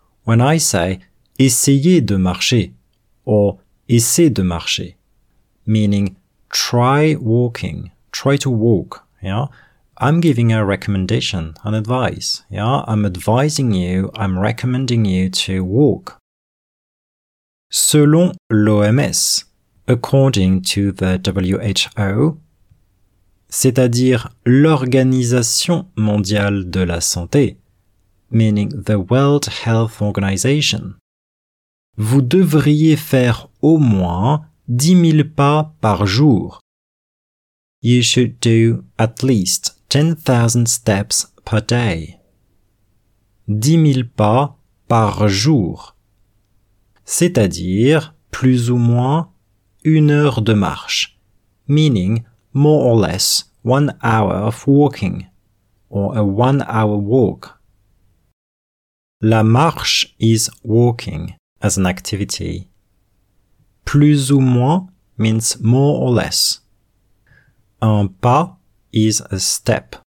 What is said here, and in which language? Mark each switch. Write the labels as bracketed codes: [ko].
[en] When I say [fr] essayez de marcher [en] or essayez de marcher, meaning try walking, try to walk. Yeah, I'm giving a recommendation, an advice. Yeah, I'm advising you, I'm recommending you to walk. [fr] Selon l'OMS, [en] according to the WHO, [fr] c'est-à-dire l'Organisation Mondiale de la Santé, [en] meaning the World Health Organization, [fr] vous devriez faire au moins 10 000 pas par jour. [en] You should do at least 10,000 steps per day. [fr] 10 000 pas par jour. C'est-à-dire plus ou moins une heure de marche. [en] Meaning more or less 1 hour of walking. Or a 1 hour walk. La marche is walking as an activity. [fr] Plus ou moins [en] means more or less. Un pas is a step.